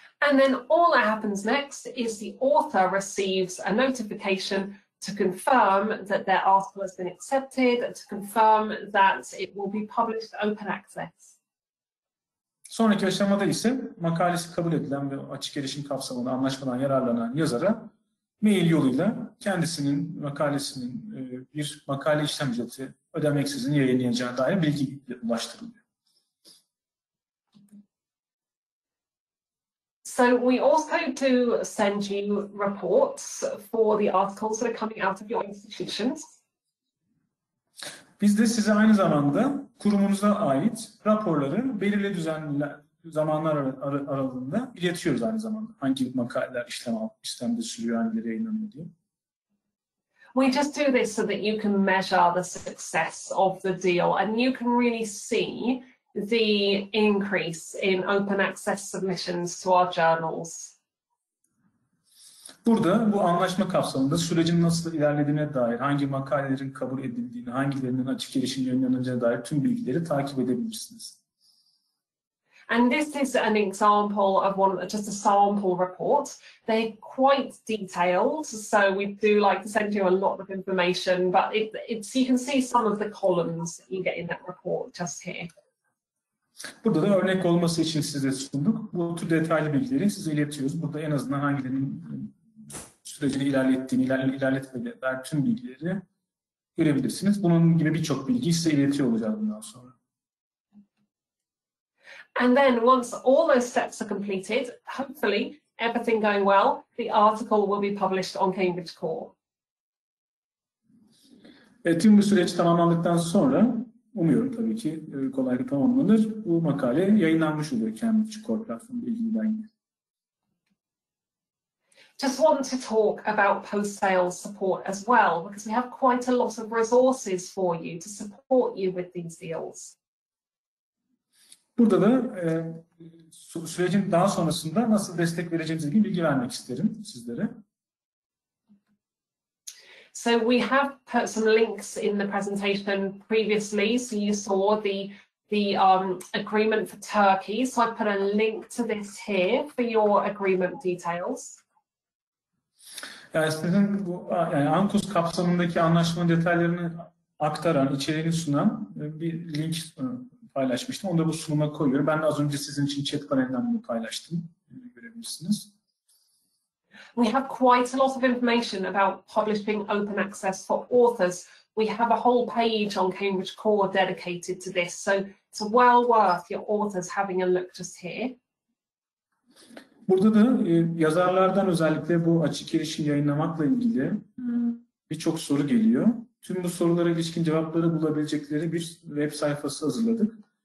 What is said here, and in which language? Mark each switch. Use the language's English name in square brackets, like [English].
[English] And then all that happens next is the author receives a notification to confirm that their article has been accepted, to confirm that it will be published open access. [Turkish] Sonraki aşamada ise makalesi kabul edilen ve açık erişim kapsamında anlaşmadan yararlanan yazara mail yoluyla kendisinin makalesinin bir makale işlem ücreti ödemeksizin yayınlayacağına dair bilgi ulaştırılıyor. [English] So we also do send you reports for the articles that are coming out of your institutions. [Turkish] Biz de size aynı zamanda kurumunuza ait raporları belirli zamanlar aralığında iletiyoruz aynı zamanda. Hangi makaleler işlemde sürüyor, hangileri yayınlanıyor diye. [English] We just do this so that you can measure the success of the deal and you can really see the increase in open access submissions to our journals. [Turkish] Burada bu anlaşma kapsamında sürecin nasıl ilerlediğine dair, hangi makalelerin kabul edildiğini, hangilerinin açık gelişim yayınlanacağına dair tüm bilgileri takip edebilirsiniz. [English] And this is an example of one, just a sample report. They're quite detailed, so we do like to send you a lot of information, but it's you can see some of the columns you get in that report just here. [Turkish] Burada da örnek olması için size sunduk. Bu tür detaylı bilgileri size iletiyoruz. Burada en azından hangilerinin sürecini ilerlettiğini, ilerletmediğini tüm bilgileri görebilirsiniz. Bunun gibi birçok bilgi size iletiyor olacağız bundan sonra. [English] And then once all those steps are completed, hopefully everything going well, the article will be published on Cambridge Core. [Turkish] Evet, tüm bu süreç tamamlandıktan sonra umuyorum tabii ki kolaylıkla tamamlanır. Bu makale yayınlanmış oluyor Cambridge Core platformu ilgiden. [English] Just want to talk about post-sales support as well, because we have quite a lot of resources for you to support you with these deals. [Turkish] Burada da sürecin daha sonrasında nasıl destek vereceğimizle ilgili bilgi vermek isterim sizlere. [English] So we have put some links in the presentation previously. So you saw the agreement for Turkey. So I put a link to this here for your agreement details. [Turkish] Yani sizin bu yani ANKUS kapsamındaki anlaşma detaylarını aktaran, içeriğini sunan bir link paylaşmıştım. Onu da bu sunuma koyuyorum. Ben de az önce sizin için chat panelinden bunu paylaştım. Görebilirsiniz. [English] We have quite a lot of information about publishing open access for authors. We have a whole page on Cambridge Core dedicated to this. So it's well worth your authors having a look just here. [Turkish] Burada da yazarlardan özellikle bu açık erişim yayınlamakla ilgili birçok soru geliyor. Tüm bu sorulara ilişkin cevapları bulabilecekleri bir web sayfası hazırladık.